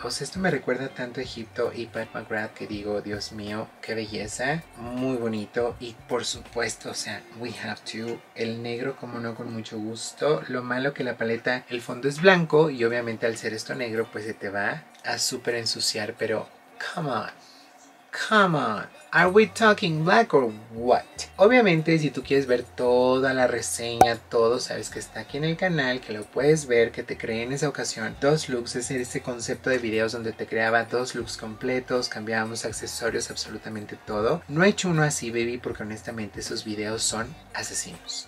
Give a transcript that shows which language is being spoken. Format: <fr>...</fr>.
<es>O sea, esto me recuerda tanto a Egipto y Pat McGrath que digo, Dios mío, qué belleza. Muy bonito. Y por supuesto, o sea,</es> <en>we have to.</en> <es>El negro, como no, con mucho gusto. Lo malo que la paleta, el fondo es blanco y obviamente al ser esto negro, pues se te va a súper ensuciar. Pero,</es> <en>come on. Come on, are we talking black or what?</en> <es>Obviamente, si tú quieres ver toda la reseña, todo, sabes que está aquí en el canal, que lo puedes ver, que te creé en esa ocasión dos looks. Es este concepto de videos donde te creaba dos looks completos, cambiábamos accesorios, absolutamente todo. No he hecho uno así, baby, porque honestamente esos videos son asesinos.</es>